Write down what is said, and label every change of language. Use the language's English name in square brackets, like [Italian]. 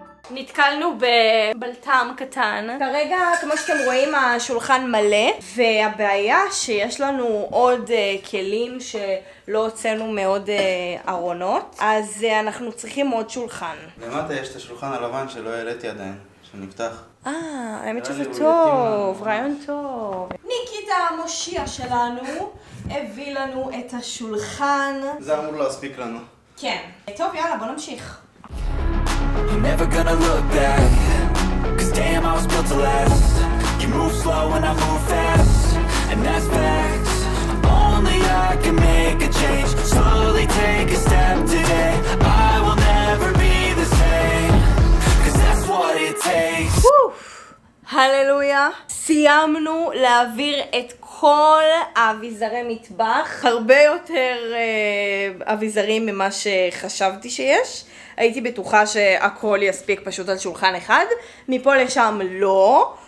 [Hebrew] נתקלנו בבלטם קטן. כרגע, כמו שאתם רואים, השולחן מלא, והבעיה שיש לנו עוד כלים שלא הוצאנו מעוד ארונות, אז אנחנו צריכים עוד שולחן. למטה יש את השולחן הלבן שלא העליתי עדיין, שנפתח. האמת שזה טוב, רעיון טוב. ניקיטה המושיע שלנו הביא לנו את השולחן. זה אמור להספיק לנו. כן. טוב, יאללה, בוא נמשיך. [English] You're never gonna look back, 'cause damn I was built to last. You move slow and I move fast, and that's facts. Only I can make a change, slowly take a step today. I will never be the same, 'cause that's what it takes. [Hebrew] הללויה, סיימנו להעביר את כל האביזרי מטבח, הרבה יותר אביזרים ממה שחשבתי שיש. הייתי בטוחה שהכל יספיק פשוט על שולחן אחד, מפה לשם לא,